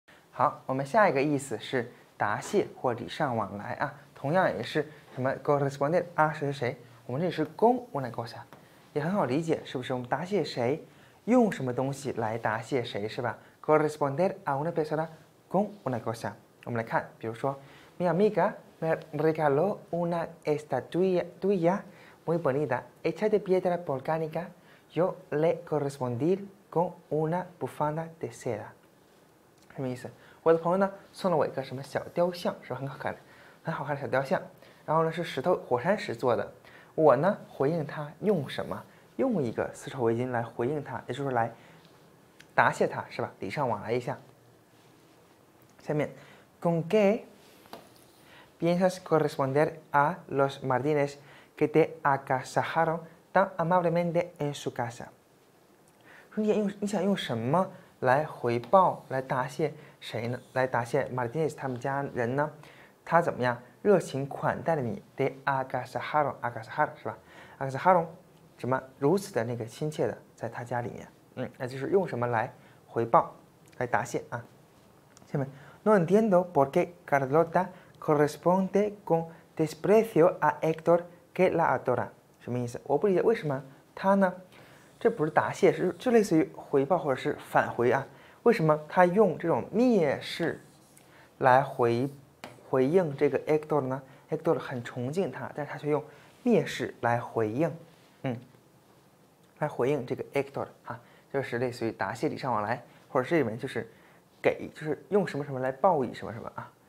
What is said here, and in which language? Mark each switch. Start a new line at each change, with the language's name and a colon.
Chinese: 好，我们下一个意思是答谢或礼尚往来啊，同样也是什么 corresponder 啊，谁谁谁，我们这里是恭问来过下，也很好理解，是不是？我们答谢谁，用什么东西来答谢谁，是吧？
Spanish: corresponder a una persona con una cosa。
Chinese: 我们来看，比如说，
Spanish: mi amiga me regaló una estatuilla tuya muy bonita hecha de piedra volcánica. Yo le correspondí con una bufanda de seda。
Chinese: 什么意思？我的朋友呢送了我一个什么小雕像，是吧？很好看的小雕像。然后呢是石头火山石做的。我呢回应他用什么？用一个丝绸围巾来回应他，也就是来答谢他，是吧？礼尚往来一下。下面，
Spanish: ¿Con qué piensas corresponder a los marines que te agasajaron tan amablemente en su casa？
Chinese: 说你想用什么来回报、来答谢谁呢？来答谢 Martinez 他们家人呢？他怎么样热情款待了你？De agasajaron, agasajaron 是吧？agasajaron 什么如此的那个亲切的在他家里面？那就是用什么来回报、来答谢啊？下面
Spanish: No entiendo por qué Carlota corresponde con desprecio a Héctor que la adora。
Chinese: 什么意思？我不理解为什么他呢？这不是答谢，是就类似于回报或者是返回啊？为什么他用这种蔑视来回应这个 Hector 呢？Hector 很崇敬他，但是他却用蔑视来回应，来回应这个 Hector 啊，就是类似于答谢礼尚往来，或者这里面就是给，就是用什么什么来报以什么什么啊？